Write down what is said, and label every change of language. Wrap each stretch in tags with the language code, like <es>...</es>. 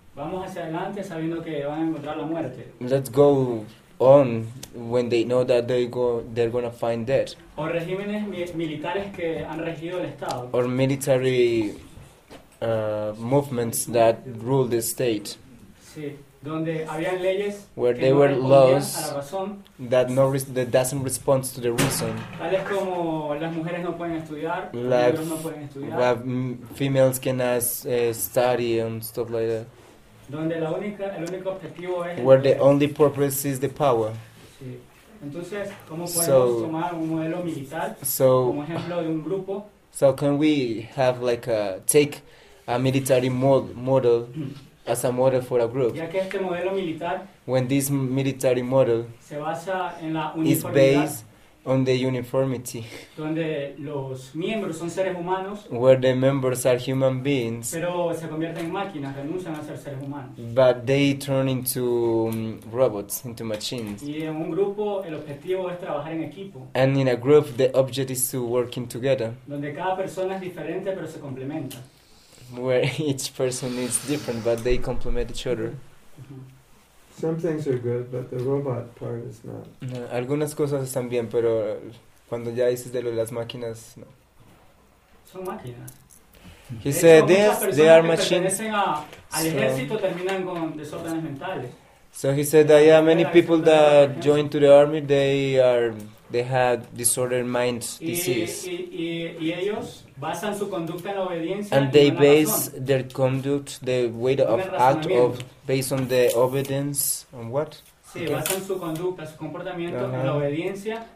<es>vamos hacia adelante sabiendo que van a encontrar la muerte.</es> <en>Let's go on when they know that they're gonna find death.</en> <es>Or regímenes militares que han regido el estado.</es> <en>Or military movements that rule the state.</en> <es>Sí, donde habían leyes.</es> <en>Where</en> <es>que</es> <en>they</en> <es>no</es> <en>were laws</en> <es>razón,</es> <en>that no that doesn't respond to the reason.</en> <es>Tales como las mujeres no pueden estudiar, like los hombres no pueden estudiar.</es> <en>Like females cannot study and stuff like that.</en> <es>Donde la única, el único objetivo es</es> <en>where the only purpose is the power.</en> <es>Sí. Entonces, ¿cómo podemos tomar un modelo militar como ejemplo de un grupo?</es> <en>So can we have like a take a military model as a model for a group?</en> <es>Ya que este modelo militar</es> <en>when this military model</en> <es>se basa en la</es> <en>is based on the uniformity.</en> <es>Donde los miembros son seres humanos.</es> <en>Where the members are human beings.</en> <es>Pero se convierten en máquinas, renuncian a ser seres humanos.</es> <en>But they turn into robots, into machines.</en> <es>Y en un grupo el objetivo es trabajar en equipo.</es> <en>And in a group the object is to working together.</en> <es>Donde cada persona es diferente pero se complementa.</es> <en>Where each person is different but they complement each other. Some things are good, but the robot part is not.</en> <es>No, algunas cosas están bien, pero cuando ya dices de las máquinas, no. Son máquinas.</es> <en>He said this, they are machines.</en> <es>Al ejército terminan con desórdenes mentales.</es> <en>So he said that yeah, many people that join to the army, they have disordered mind disease.</en> <es>Y ellos basan su conducta en la obediencia.</es> <en>And they base their conduct, the way of act of based on the obedience on what?</en> <es>Sí, okay. Basan su conducta, su comportamiento en la obediencia.</es>